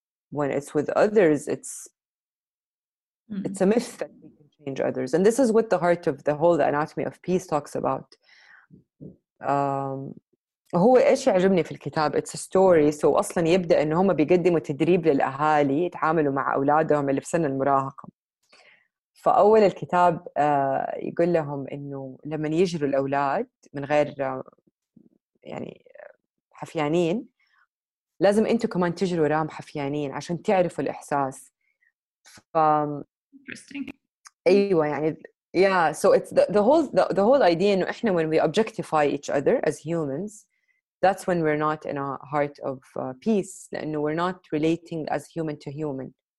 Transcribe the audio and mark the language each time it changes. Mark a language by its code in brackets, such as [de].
[en] When it's with others, it's a myth that we can change others. And this is what the heart of the whole anatomy of peace talks about. [ar] هو إيش يعجبني في الكتاب, [en] it's a story. So [ar] أصلا يبدأ إن هم بيقدموا تدريب للأهالي يتعاملوا مع أولادهم اللي في سن المراهقة. فأول الكتاب يقول لهم إنه لما يجروا الأولاد من غير يعني حفيانين لازم أنتوا كمان تجروا رام حفيانين عشان تعرفوا الإحساس. ف أيوة يعني [en] yeah, so it's the whole idea [ar] إنه إحنا [en] when we objectify each other as humans that's when we're not in a heart of peace, [ar] لأنه [en] we're not relating as human to human.